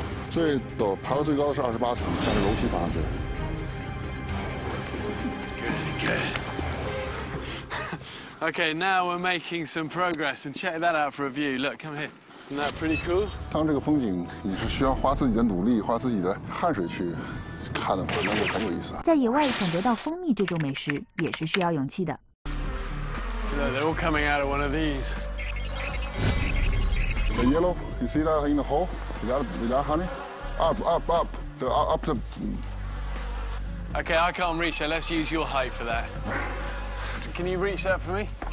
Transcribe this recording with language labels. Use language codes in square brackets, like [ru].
[zh] 最陡爬到最高的是28层，带着楼梯爬上去。 [en] Good, good. Okay, now we're making some progress, and check that out for a view. Look, come here. Isn't that pretty cool? [zh] 当这个风景，你是需要花自己的努力，花自己的汗水去看的话，那就很有意思。在野外想得到蜂蜜这种美食，也是需要勇气的。 [en] Look, they're all coming out of one of these. The yellow, you see that in the hole? You got honey? Up. So up to... Okay, I can't reach that. Let's use your height for that. Can you reach that for me?